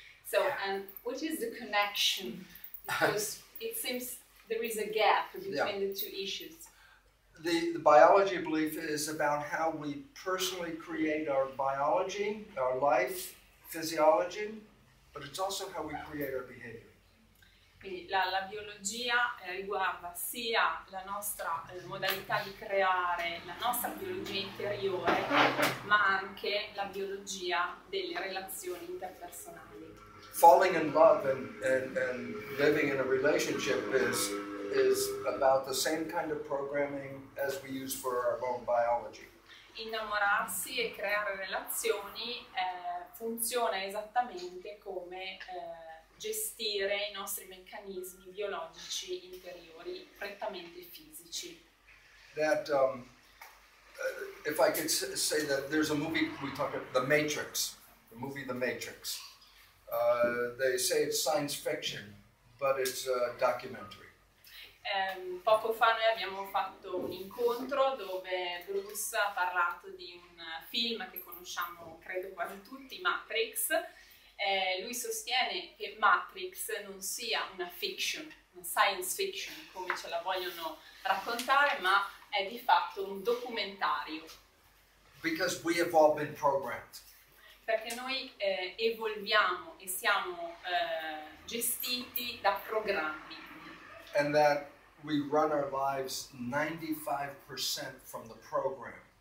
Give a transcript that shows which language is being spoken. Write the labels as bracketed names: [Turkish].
[English] So, and what is the connection? Because it seems there is a gap between the two issues. The biology of belief is about how we personally create our biology, our life, physiology, but it's also how we create our behavior. [Italian] Quindi la biologia riguarda sia la nostra modalità di creare la nostra biologia interiore, ma anche la biologia delle relazioni interpersonali. [English] Falling in love and living in a relationship is about the same kind of programming as we use for our own biology. [Italian] Innamorarsi e creare relazioni funziona esattamente come gestire i nostri meccanismi biologici interiori, prettamente fisici. [English] That, if I could say that, there's a movie we talk about, The Matrix, the movie The Matrix. They say it's science fiction, but it's a documentary. [Italian] Poco fa noi abbiamo fatto un incontro dove Bruce ha parlato di un film che conosciamo, credo, quasi tutti, Matrix. Lui sostiene che Matrix non sia una fiction, una science fiction, come ce la vogliono raccontare, ma è di fatto un documentario. [English] Because we have all been programmed. [Italian] Perché noi evolviamo e siamo gestiti da programmi. [English] And that we run our lives 95% from the program.